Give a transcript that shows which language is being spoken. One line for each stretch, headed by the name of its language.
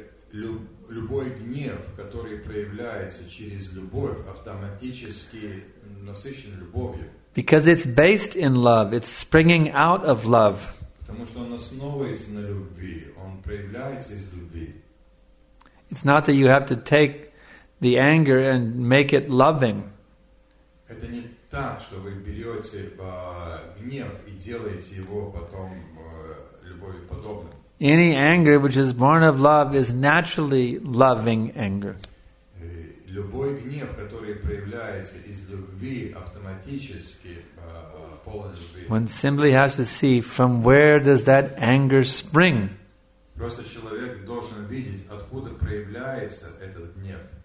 Russian: Любой гнев, который проявляется через любовь, автоматически насыщен любовью.
English: Because it's based in love, it's springing out of love.
Russian: Потому что он основывается на любви, он проявляется из любви.
English: It's not that you have to take the anger and make it loving.
Russian: Это не так, что вы берете гнев и делаете его потом любовью подобным.
English: Any anger which is born of love is naturally loving anger.
Russian: Любой гнев, который проявляется из любви, автоматически полон любви.
English: One simply has to see from where does that anger spring.
Russian: Просто человек должен видеть, откуда проявляется этот гнев.